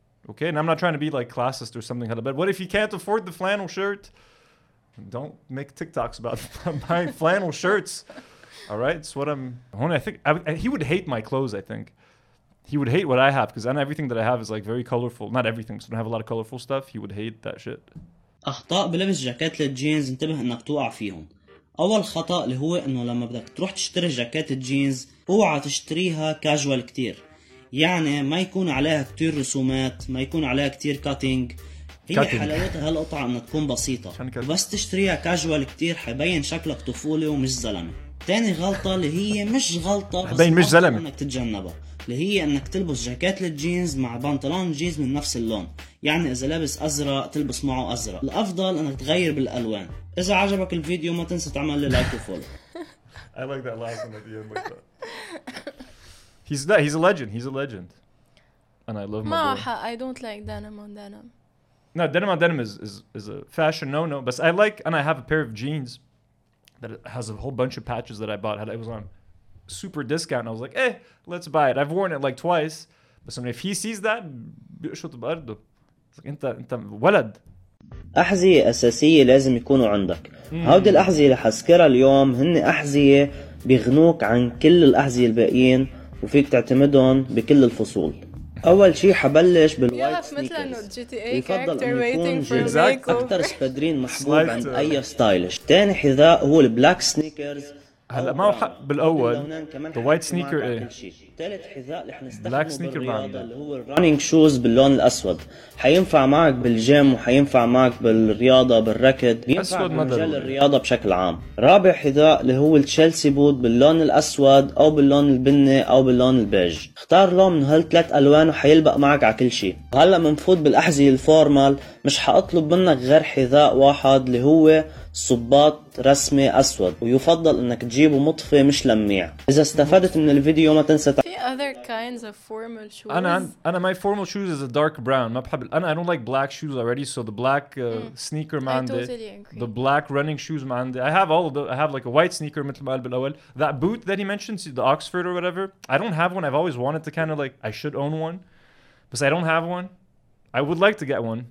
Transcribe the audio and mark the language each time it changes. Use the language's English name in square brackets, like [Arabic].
[English] Okay, and I'm not trying to be like classist or something. But what if you can't afford the flannel shirt? Don't make TikToks about buying flannel shirts. All right, it's what I'm. I think he would hate my clothes. I think. He would hate what I have because not everything that I have is like very colorful. Not everything, so I don't have a lot of colorful stuff. He would hate that shit. [Arabic] أخطاء بلبس جاكيت للجينز انتبه إنك توقع فيهم. أول خطأ اللي هو إنه لما بدك تروح تشتري جاكيت الجينز أوعى تشتريها كاجوال كتير. يعني ما يكون عليها كتير رسومات، ما يكون عليها كتير كاتينج. هي حلاوتها هالقطعة إنها تكون بسيطة. بس تشتريها كاجوال كتير حيبين شكلك طفولي ومش زلمة. تاني غلطة اللي هي مش غلطة بس مش زلمة إنك تتجنبها. اللي هي انك تلبس جاكيت للجينز مع بنطلون جينز من نفس اللون، يعني اذا لابس ازرق تلبس معه ازرق. الافضل انك تغير بالالوان. اذا عجبك الفيديو ما تنسى تعمل لي لايك وفولو. [English] I like that last one at the end like that. He's a legend. And I love my boy. I don't like denim. No, denim is a fashion no-no, but I like, and I have a pair of jeans that has a whole bunch of patches that I bought. It was on super discount and I was like, eh, let's buy it. I've worn it like twice. But I mean, if he sees that, [Arabic] بيقشط برضه. [English] It's like, [Arabic] انت ولد. أحذية أساسية لازم يكونوا عندك. هودي الأحذية اللي حذكرها اليوم هن أحذية بيغنوك عن كل الأحذية الباقيين وفيك تعتمدهم بكل الفصول. أول شيء حبلش بالوايت سنيكرز. يفضل أن يكون جيك أكتر سبادرين محبوب عن أي ستايلش. تاني حذاء هو البلاك سنيكرز. هلا ما هو حق بالاول ذا وايت سنيكر ايه ثالث حذاء اللي احنا استخدمناه اللي هو الرننج شوز باللون الاسود، حينفع معك بالجيم وحينفع معك بالرياضه بالركض، بينفع بمجال الرياضه بشكل عام. رابع حذاء اللي هو التشيلسي بوت باللون الاسود او باللون البني او باللون البيج. اختار لون من هالثلاث الوان وحيلبق معك على كل شيء. هلا بنفوت بالاحذيه الفورمال، مش حاطلب منك غير حذاء واحد اللي هو صباط رسمي اسود، ويفضل انك تجيبه مطفي مش لميع. اذا استفدت من الفيديو ما تنسى في [English] other kinds of formal shoes. [Arabic] انا [English] my formal shoes is a dark brown. [Arabic] ما بحب انا [English] I don't like black shoes already, so the black sneaker [Arabic] ما عندي. [English] Totally the black running shoes [Arabic] ما عندي. [English] I have all of the, I have like a white sneaker [Arabic] مثل ما قال بالاول. [English] That boot that he mentions, the Oxford or whatever, I don't have one. I've always wanted to kind of like, I should own one, but I don't have one. I would like to get one.